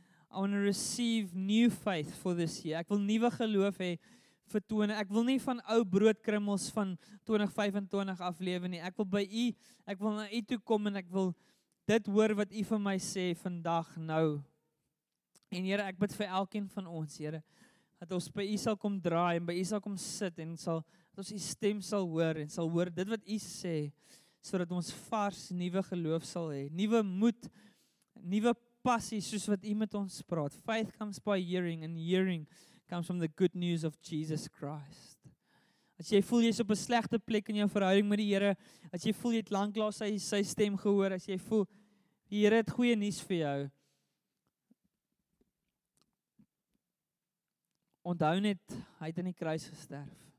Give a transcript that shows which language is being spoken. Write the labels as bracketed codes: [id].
[en] I want to receive new faith for this year. [af] Ek wil nuwe geloof hê vir tone. Ek wil nie van ou broodkrummels van 2025 aflewe nie. Ek wil by U, ek wil na U toe kom en ek wil dit hoor wat U vir my sê vandag nou. En Here, ek bid vir elkeen van ons, Here, dat ons by U sal kom draai en by U sal kom sit en sal, dat ons U stem sal hoor en sal hoor dit wat U sê, sodat ons vars, nuwe geloof sal hê, nuwe moed, nuwe passie, soos wat U met ons praat. [en] Faith comes by hearing and hearing comes from the good news of Jesus Christ. [af] As jy voel jy's op 'n slegte plek in jou verhouding met die Here, as jy voel jy het lanklaas sy stem gehoor, as jy voel die Here het goeie nuus vir jou, onthou net, hy het in die kruis gesterf.